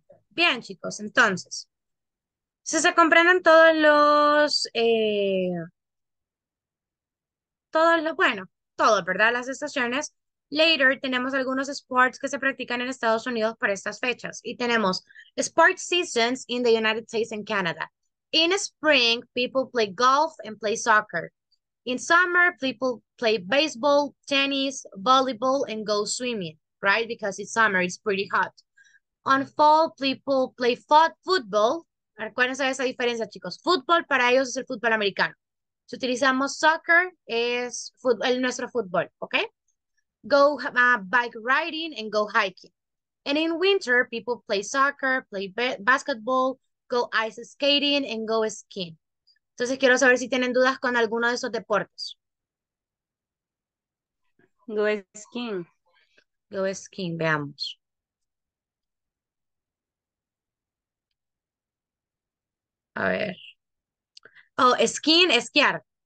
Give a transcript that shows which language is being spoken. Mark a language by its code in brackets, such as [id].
[es] Bien, chicos, entonces, si se comprenden bueno, todos, ¿verdad? Las estaciones. Later, tenemos algunos sports que se practican en Estados Unidos para estas fechas. Y tenemos [en] Sports Seasons in the United States and Canada. In spring, people play golf and play soccer. In summer, people play baseball, tennis, volleyball, and go swimming, right? Because it's summer, it's pretty hot. On fall, people play football. [es] Recuerden esa diferencia, chicos. Fútbol para ellos es el fútbol americano. Si utilizamos soccer, es fútbol, el nuestro fútbol, ¿ok? [en] Go bike riding and go hiking. And in winter, people play soccer, play basketball, go ice skating and go skiing. [es] Entonces quiero saber si tienen dudas con alguno de esos deportes. [en] Go skin. Go skin, [es] veamos. A ver. Oh, skin, esquiar.